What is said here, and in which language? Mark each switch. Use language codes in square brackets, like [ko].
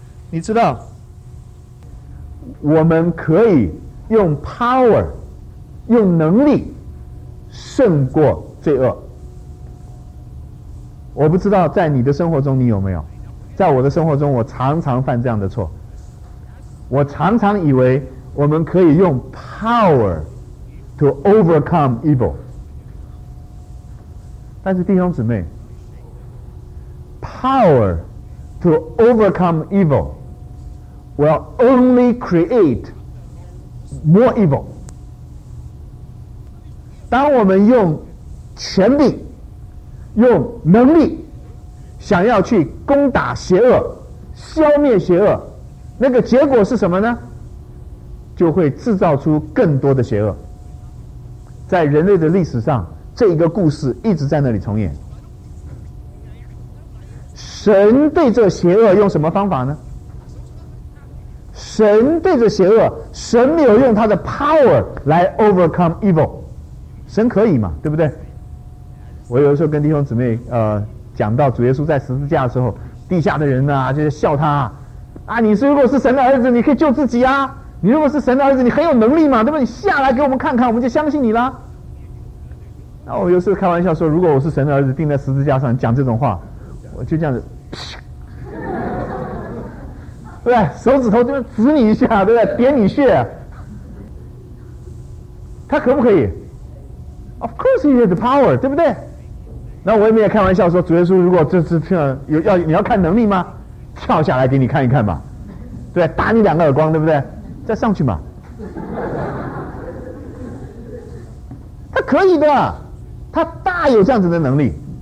[zh] 你知道，我们可以用 power 用能力胜过罪恶。我不知道在你的生活中你有没有，在我的生活中我常常犯这样的错，我常常以为我们可以用 [en] power to overcome evil。 [zh] 但是弟兄姊妹， [en] power to overcome evil will only create more evil。 [zh] 当我们用权力用能力想要去攻打邪恶消灭邪恶，那个结果是什么呢？就会制造出更多的邪恶。在人类的历史上，这一个故事一直在那里重演。神对这邪恶用什么方法呢？神对这邪恶，神没有用他的 power 来 [en] overcome evil， [zh] 神可以嘛，对不对？我有的时候跟弟兄姊妹讲到主耶稣在十字架的时候，地下的人啊就笑他啊，你是如果是神的儿子你可以救自己啊，你如果是神的儿子你很有能力嘛，对不对？你下来给我们看看，我们就相信你了。那我有时候开玩笑说，如果我是神的儿子钉在十字架上讲这种话，我就这样子对不对？手指头就指你一下，对不对？点你穴，他可不可以 ？ [en] Of course he has the power， [zh] 对不对？那我也没有开玩笑说，主耶稣如果这次跳有要你要看能力吗？跳下来给你看一看吧，对，打你两个耳光，对不对？再上去嘛，他可以的，他大有这样子的能力。